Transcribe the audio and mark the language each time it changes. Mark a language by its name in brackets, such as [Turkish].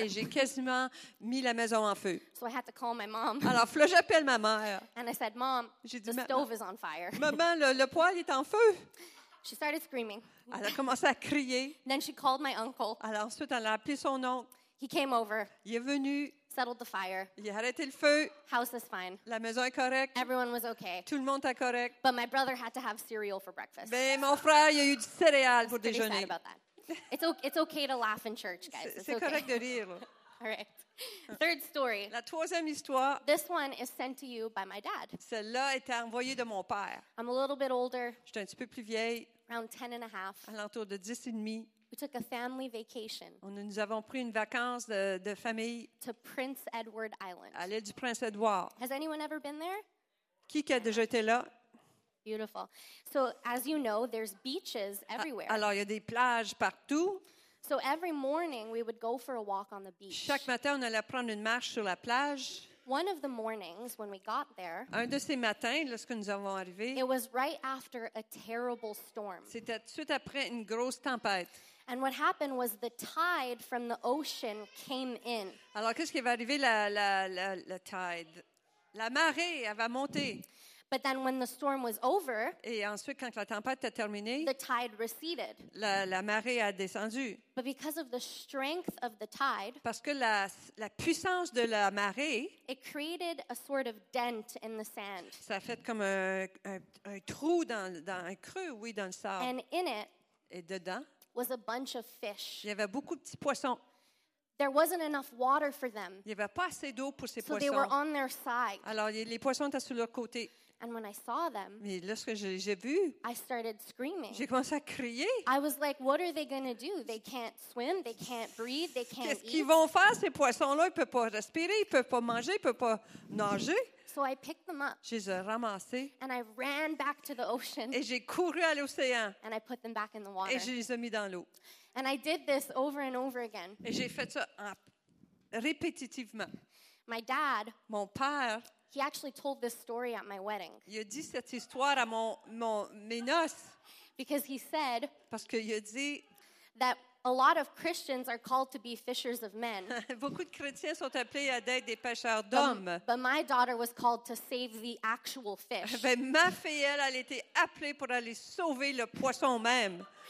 [French] Et j'ai quasiment mis la maison en feu. [English] So I had to call my mom. [French] Alors, là, j'appelle ma mère. [English] And I said, Mom, the stove is on fire. [French] Maman, le poêle est en feu. [English] She started screaming. [French] Elle a commencé à crier. [English] Then she called my uncle. [French] Alors ensuite, elle a appelé son oncle. [English] He came over. [French] Il est venu. [English] Settled the fire. [French] Il a arrêté le feu. [English] House is fine. [French] La maison est correcte. [English] Everyone was okay. [French] Tout le monde est correct. [English] But my brother had to have cereal for breakfast. [French] Mais mon frère, il a eu du céréales pour déjeuner. [English] Pretty sad about that. It's okay to laugh in church, guys. [French] C'est [English] okay. [French] Correct de rire. [English] All right. Third story. [French] La troisième histoire. [English] This one is sent to you by my dad. [French] Celle-là est envoyée de mon père. [English] I'm a little bit older. [French] Je suis un petit peu plus vieille. [English] Around 10 and a half. [French] À l'entour de 10 et demi. [English] We took a family vacation. [French] Nous avons pris une vacance de famille. [English] To Prince Edward Island. [French] À l'île du Prince Édouard. [English] Has anyone ever been there? [French] Qui a déjà été là? [English] Beautiful. So, as you know, there's beaches everywhere. [French] Alors, il y a des plages partout. [English] So every morning we would go for a walk on the beach. [French] Chaque matin, on allait prendre une marche sur la plage. [English] One of the mornings when we got there, [French] un de ces matins, lorsque nous avons arrivé, [English] it was right after a terrible storm. [French] C'était suite après une grosse tempête. [English] And what happened was the tide from the ocean came in. [French] Alors, qu'est-ce qui va arriver, la tide? La marée, elle va monter. [English] But then when the storm was over, [French] et ensuite, quand la tempête a terminé, [English] the tide receded. [French] La marée a descendu. [English] But because of the strength of the tide, [French] parce que la puissance de la marée, [English] it created a sort of dent in the sand. [French] Ça a fait comme un trou dans un creux, oui, dans le sable. [English] And in it, [French] et dedans, [English] was a bunch of fish. [French] Il y avait beaucoup de petits poissons. [English] There wasn't enough water for them. [French] Il y avait pas assez d'eau pour ces [English] so [French] poissons. [English] So they were on their side. [French] Alors les poissons étaient sur leur côté. [English] And when I saw them, [French] mais lorsque je les ai vus, [English] I started screaming. [French] J'ai commencé à crier. [English] I was like, what are they going to do? They can't swim, they can't breathe, they can't [French] qu'est-ce [English] eat. [French] Qu'est-ce qu'ils vont faire ces poissons-là? Ils peuvent pas respirer, ils peuvent pas manger, ils peuvent pas nager. [English] So I picked them up. [French] Je les ai ramassés. [English] And I ran back to the ocean. [French] Et j'ai couru à l'océan. [English] And I put them back in the water. [French] Et je les ai mis dans l'eau. [English] And I did this over and over again. [French] Et j'ai fait ça répétitivement. [English] My dad, [French] mon père, [English] he actually told this story at my wedding. [French] Il a dit cette histoire à mes noces. [English] Because he said, [French] parce qu'il a dit, [English] that a lot of Christians are called to be fishers of men. [French] Beaucoup de chrétiens sont appelés à être des pêcheurs d'hommes. [English] But my daughter was called to save the actual fish. [French] Mais ma fille, elle a été appelée pour aller sauver le poisson même.